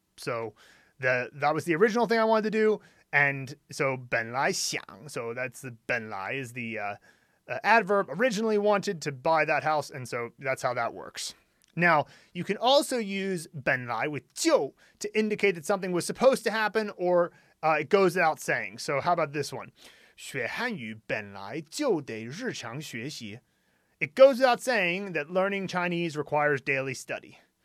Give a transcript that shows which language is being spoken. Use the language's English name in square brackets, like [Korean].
[English] So that was the original thing I wanted to do. And so 本来想, so that's the 本来 is the adverb, originally wanted to buy that house. And so that's how that works. Now, you can also use 本来 with 就 to indicate that something was supposed to happen or it goes without saying. So how about this one? [Chinese] 学汉语本来就得日常学习。 [English] It goes without saying that learning Chinese requires daily study.